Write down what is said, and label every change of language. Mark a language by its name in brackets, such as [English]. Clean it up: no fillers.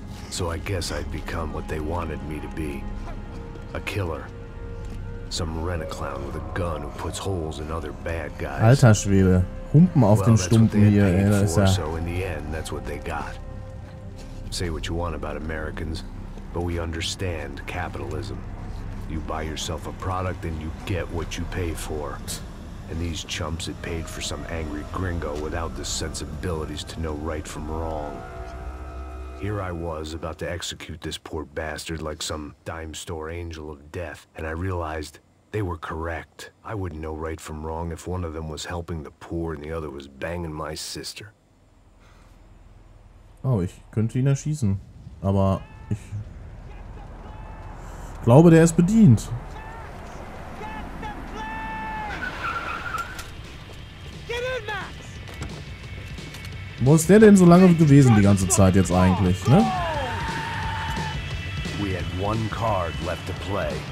[English] So I guess I'd become what they wanted me to be. A killer. Some rent-a-clown with a gun who puts holes in other bad guys. [German] Alter Schwede. Humpen auf den Stumpen hier, ey, da ist er. [English] So in the end, that's what they got. Say what you want about Americans, but we understand capitalism. You buy yourself a product and you get what you pay for. And these chumps had paid for some angry gringo without the sensibilities to know right from wrong. Here I was about to execute this poor bastard like some dime store angel of death, and I realized they were correct. I wouldn't know right from wrong if one of them was helping the poor and the other was banging my sister. [German] Oh, ich könnte ihn erschießen, aber ich glaube, der ist bedient. Wo ist der denn so lange gewesen die ganze Zeit jetzt eigentlich, ne? [English] We had one card left to play.